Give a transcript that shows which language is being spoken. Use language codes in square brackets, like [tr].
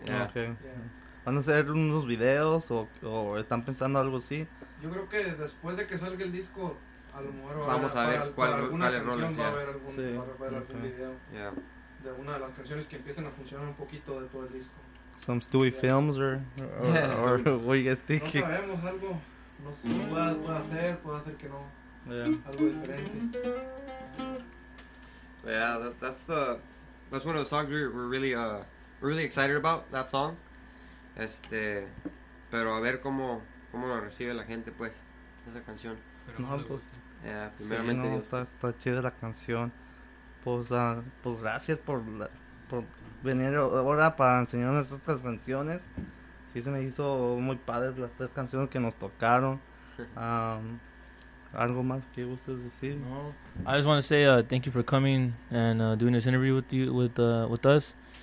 [en] Yeah. Okay. [es] Yeah. ¿Van a hacer unos videos o están pensando algo así? Yo creo que después de que salga el disco, a lo mejor vamos a ver cuáles rolas. Va a haber algún video. [en] Yeah. [es] De una de las canciones que empiecen a funcionar un poquito de todo el disco. [en] Some Stewie films or what are you guys thinking? [es] No sabemos algo. No sé, puede hacer que no. [en] Yeah. [es] Algo diferente. [en] Yeah, that's one of the songs we're really excited about, that song. [es] Pero a ver cómo lo recibe la gente, pues, esa canción. Primeramente. Está chida la canción. Pues gracias por venir ahora para enseñarnos estas canciones. Sí, se me hizo muy padre las tres canciones que nos tocaron. ¿Algo más que gustes decir? No. [en] I just want to say thank you for coming and doing this interview with us.